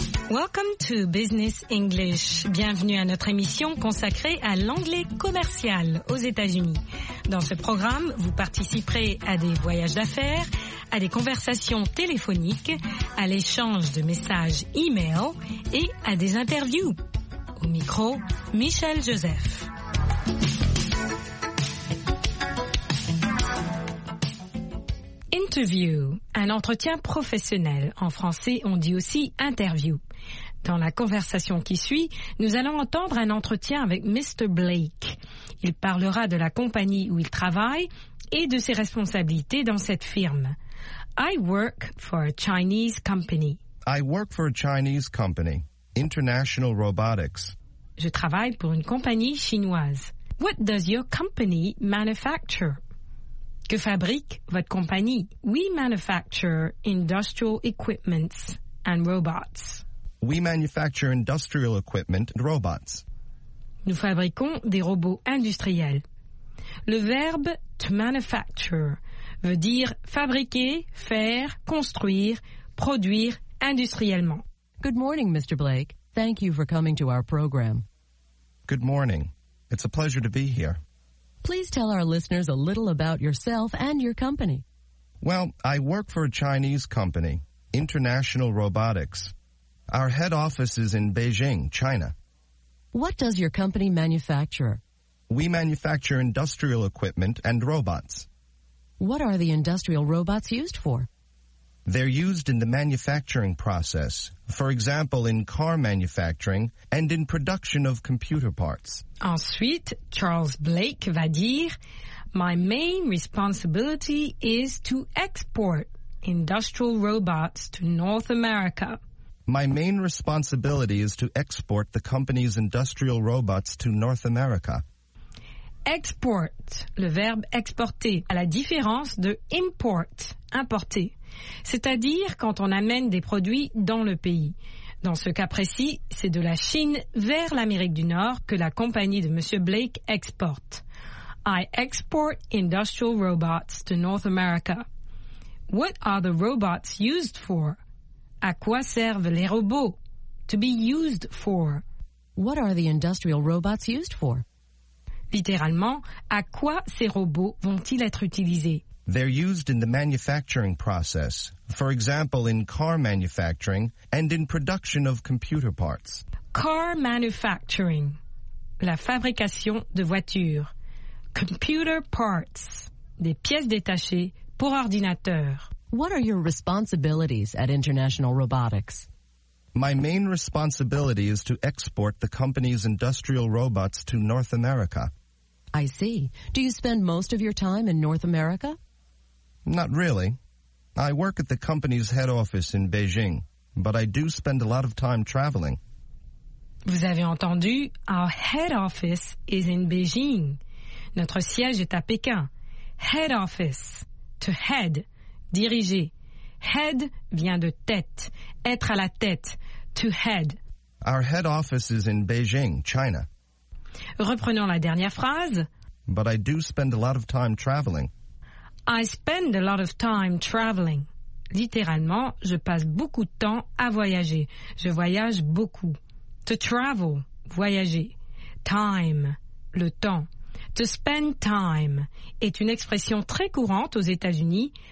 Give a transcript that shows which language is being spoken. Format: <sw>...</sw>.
<en>Welcome to Business English.</en> <fr>Bienvenue à notre émission consacrée à l'anglais commercial aux États-Unis. Dans ce programme, vous participerez à des voyages d'affaires, à des conversations téléphoniques, à l'échange de messages e-mail et à des interviews. Au micro, Michel Joseph. Interview, un entretien professionnel. En français, on dit aussi interview. Dans la conversation qui suit, nous allons entendre un entretien avec Mr. Blake. Il parlera de la compagnie où il travaille et de ses responsabilités dans cette firme.</fr> <en>I work for a Chinese company. I work for a Chinese company, International Robotics.</en> <fr>Je travaille pour une compagnie chinoise.</fr> <en>What does your company manufacture?</en> <fr>Que fabrique votre compagnie?</fr> <en>We manufacture industrial equipments and robots. We manufacture industrial equipment and robots.</en> <fr>Nous fabriquons des robots industriels. Le verbe to manufacture veut dire fabriquer, faire, construire, produire industriellement.</fr> <en>Good morning, Mr. Blake. Thank you for coming to our program. Good morning. It's a pleasure to be here. Please tell our listeners a little about yourself and your company. Well, I work for a Chinese company, International Robotics. Our head office is in Beijing, China. What does your company manufacture? We manufacture industrial equipment and robots. What are the industrial robots used for? They're used in the manufacturing process, for example, in car manufacturing and in production of computer parts.</en> <fr>Ensuite, Charles Blake va dire, My main responsibility is to export industrial robots to North America.</fr> <en>My main responsibility is to export the company's industrial robots to North America.</en> <fr>Export, le verbe exporter, à la différence de import, importer. C'est-à-dire quand on amène des produits dans le pays. Dans ce cas précis, c'est de la Chine vers l'Amérique du Nord que la compagnie de Monsieur Blake exporte.</fr> <en>I export industrial robots to North America. What are the robots used for?</en> <fr>À quoi servent les robots?</fr> <en>To be used for. What are the industrial robots used for?</en> <fr>Littéralement, à quoi ces robots vont-ils être utilisés?</fr> <en>They're used in the manufacturing process. For example, in car manufacturing and in production of computer parts. Car manufacturing.</en> <fr>La fabrication de voitures.</fr> <en>Computer parts.</en> <fr>Des pièces détachées pour ordinateur.</fr> <en>What are your responsibilities at International Robotics? My main responsibility is to export the company's industrial robots to North America. I see. Do you spend most of your time in North America? Not really. I work at the company's head office in Beijing, but I do spend a lot of time traveling.</en> <fr>Vous avez entendu,</fr> <en>our head office is in Beijing.</en> <fr>Notre siège est à Pékin. Head office, to head, diriger. Head vient de tête, être à la tête, to head.</fr> <en>Our head office is in Beijing, China.</en> <fr>Reprenons la dernière phrase.</fr> <en>But I do spend a lot of time traveling. I spend a lot of time traveling.</en> <fr>Littéralement, je passe beaucoup de temps à voyager. Je voyage beaucoup. To travel, voyager. Time, le temps. To spend time est une expression très courante aux États-Unis.</fr>